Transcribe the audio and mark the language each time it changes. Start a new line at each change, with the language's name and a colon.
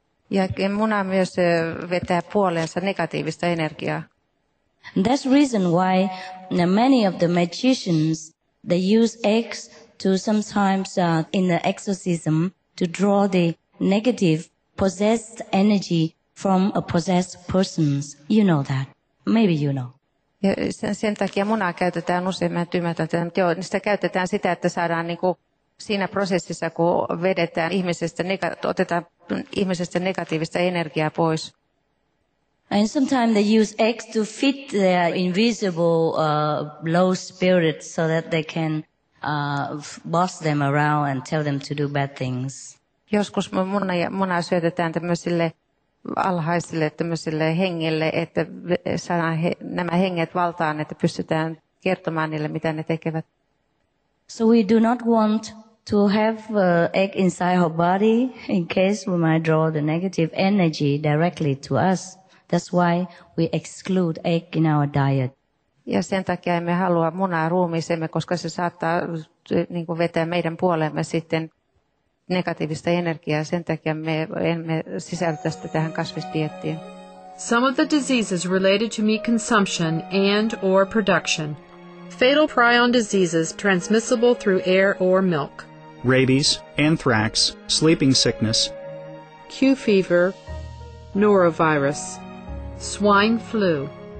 Finnish: Ja muna myös vetää puoleensa negatiivista energiaa.
English: That's reason why many of the magicians, they use eggs to sometimes in the exorcism to draw the negative possessed energy from a possessed person. You know that. Maybe you know.
Finnish: Ja sen takia munaa käytetään usein, mä ymmärrän tämän. Joo, sitä käytetään sitä, että saadaan niin kuin siinä prosessissa, kun vedetään ihmisestä, otetaan ihmisestä negatiivista energiaa pois.
English: And sometimes they use eggs to feed their invisible low spirits so that they can boss them around and tell them to do bad things.
Finnish: Joskus muna syötetään tämmöisille alhaisille tämmöisille hengille, että saadaan nämä henget valtaan, että pystytään kertomaan niille, mitä ne tekevät.
English: So we do not want to have egg inside our body in case we might draw the negative energy directly to us. That's why we exclude egg in our diet.
Finnish: Ja sen takia emme halua munaa ruumiisemme, koska se saattaa niin kuin vetää meidän puoleemme sitten negatiivista energiaa. Sen takia me emme sisältä sitä tähän kasvisdiettiin.
English: Some of the diseases related to meat consumption and or production. Fatal prion diseases transmissible through air or milk. Rabies, anthrax, sleeping sickness. Q fever, norovirus, swine flu.